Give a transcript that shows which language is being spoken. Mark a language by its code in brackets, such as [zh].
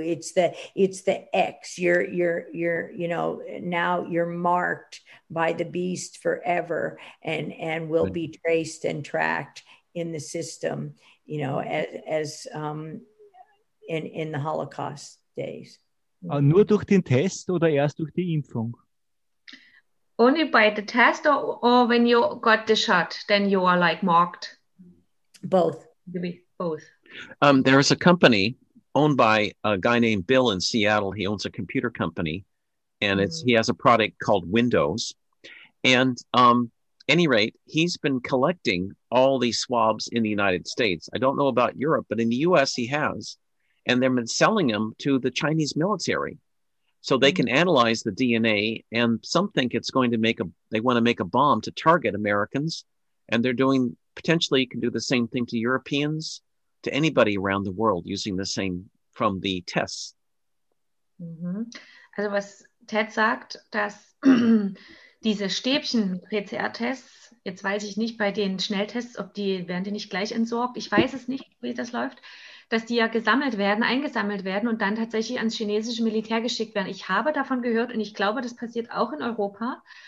[en] It's the X. You're now you're marked by the beast forever and will be traced and tracked in the system, you know, as in the Holocaust days. [de] Nur durch den Test oder erst durch die Impfung? [en] Only by the test or when you got the shot, then you are like marked? Both. There is a company owned by a guy named Bill in Seattle. He owns a computer company and he has a product called Windows. And any rate, he's been collecting all these swabs in the United States. I don't know about Europe, but in the US he has. And they've been selling them to the Chinese military so they can analyze the DNA. And some think it's going to make a bomb to target Americans. And they're doing, potentially can do the same thing to Europeans, to anybody around the world, using the same from the tests. [de] Also was Ted sagt, dass diese Stäbchen PCR-Tests, jetzt weiß ich nicht bei den Schnelltests, ob die, werden die nicht gleich entsorgt? Ich weiß es nicht, wie das läuft. Dass die ja eingesammelt werden und dann tatsächlich ans chinesische Militär geschickt werden. Ich habe davon gehört und ich glaube, das passiert auch in Europa.